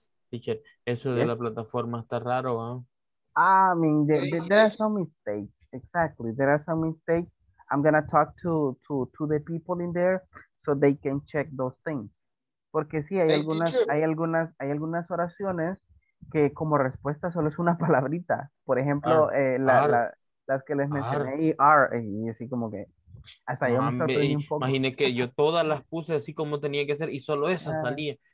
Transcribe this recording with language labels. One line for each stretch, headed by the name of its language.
Spanish: Teacher, eso yes. De la plataforma está raro, ¿eh?
English: I mean, there are some mistakes. Exactly, there are some mistakes. I'm gonna talk to the people in there so they can check those things.
Spanish: Porque sí, hay algunas oraciones que como respuesta solo es una palabrita. Por ejemplo, las que les mencioné ahí, y así como que hasta yo me sorprendí un poco. Imaginé que yo todas las puse así como tenía que ser y solo esa salía.